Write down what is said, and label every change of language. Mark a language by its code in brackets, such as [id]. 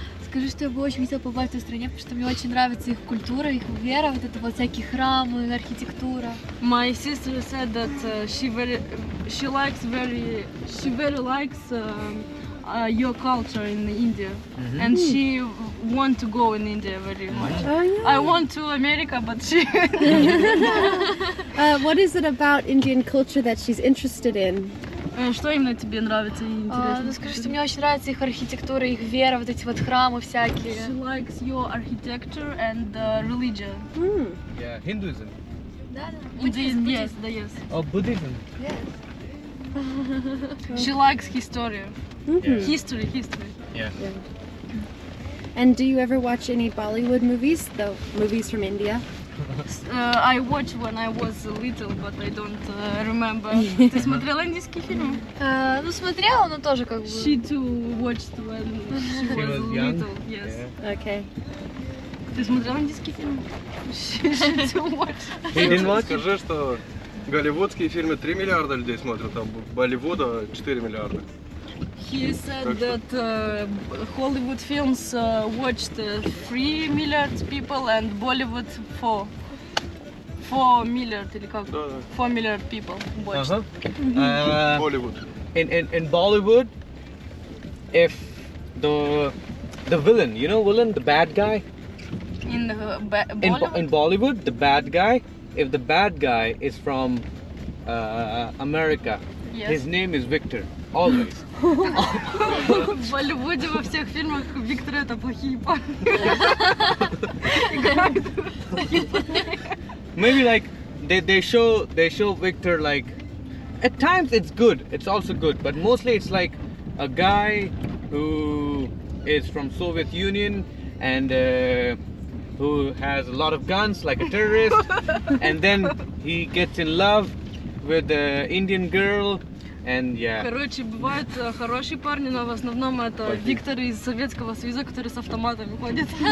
[ru] Скажи, что я бы очень хотела побывать в той стране, потому что мне очень нравится их культура, их вера, вот это вот всякие храмы, архитектура. [en] My sister said that she very likes your culture in India, mm-hmm. and she want to go in India very much. Oh, yeah. I want to America, but she. What is it about Indian culture that she's interested in? [ru] Что именно тебе нравится и интересно? Скажи, что мне очень нравится их архитектура, их вера, вот эти вот храмы всякие. [en] She likes your architecture and religion. Yeah, Hinduism. Buddhism. Yes. She likes history. Mm-hmm. History. Yeah. And do you ever watch any Bollywood movies, the movies from India? I watched when I was little, but I don't remember. [ru] Ты смотрела индийский фильм? Ну смотрела, но тоже как бы. [en] She too watched when she was little. Yes. Yeah. Okay. [ru] Ты смотрела индийский фильм? [en] She too watched. [ru] Не скажи, что голливудские фильмы 3 миллиарда людей смотрят, а Болливуда 4 миллиарда. [en] He said that Hollywood films watched 3 milliard people and Bollywood 4 milliard, [ru] или как? [en] 4 milliard people watched. Uh-huh. Bollywood. In Bollywood, if the villain, you know villain, the bad guy? In Bollywood, the bad guy, if the bad guy is from America, yes. His name is Victor. Always. [ru] В Болливуде во всех фильмах Виктор это плохие парни. [en] Maybe like they show Victor like at times it's good, it's also good, but mostly it's like a guy who is from Soviet Union and who has a lot of guns, like a terrorist, and then he gets in love with the Indian girl. And yeah. [ru] Короче, бывают хорошие парни, но в основном это Виктор из Советского Союза, который с автоматами ходит.